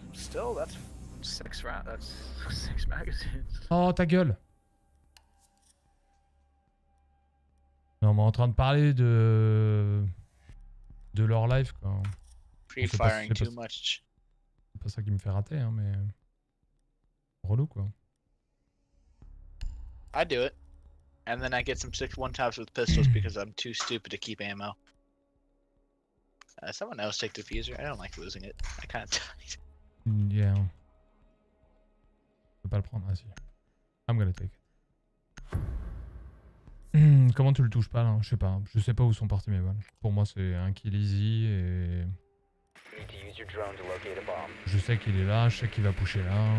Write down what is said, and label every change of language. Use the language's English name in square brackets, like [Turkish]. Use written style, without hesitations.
[English] Still, that's 6 rounds. That's 6 magazines. [French] Oh ta gueule! Non, mais en train de parler de. De leur life quoi. [English] Pre-firing too much. [French] C'est pas ça qui me fait rater, hein, mais. Relou quoi. [English] I do it. And then I get some 6-1 tops with pistols because I'm too stupid to keep ammo. Someone else take the diffuser. I don't like losing it. I kind of died. Yeah. [French] Je peux pas le prendre, vas-y. [English] I'm gonna take it. [French] Comment tu le touches pas là? Je sais pas. Je sais pas où sont partis mes balles. Pour moi, c'est un kill easy et. [English] You need to use your drone to locate a bomb. [French] Je sais qu'il est là, je sais qu'il va pusher là.